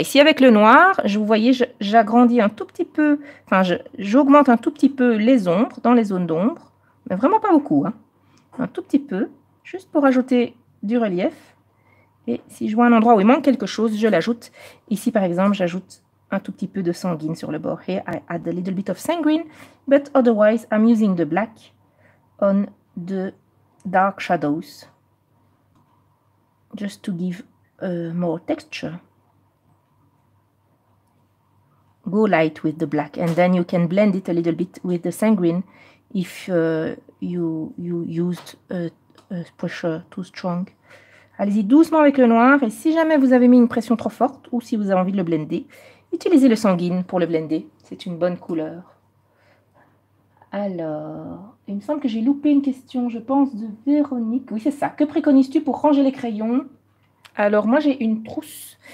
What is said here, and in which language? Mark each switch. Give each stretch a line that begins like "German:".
French: Ici, avec le noir, vous voyez, j'agrandis un tout petit peu. Enfin, j'augmente un tout petit peu les ombres dans les zones d'ombre. Mais vraiment pas beaucoup. Hein. Un tout petit peu. Juste pour ajouter du relief. Et si je vois un endroit où il manque quelque chose, je l'ajoute. Ici, par exemple, j'ajoute un tout petit peu de sanguine sur le bord.
English: Here, I add a little bit of sanguine, but otherwise, I'm using the black on the dark shadows. Just to give more texture. Go light with the black, and then you can blend it a little bit with the sanguine if you used push too strong.
French: Allez-y doucement avec le noir et si jamais vous avez mis une pression trop forte ou si vous avez envie de le blender, utilisez le sanguine pour le blender. C'est une bonne couleur. Alors, il me semble que j'ai loupé une question, je pense, de Véronique. Oui, c'est ça. Que préconises-tu pour ranger les crayons? Alors, moi, j'ai une trousse.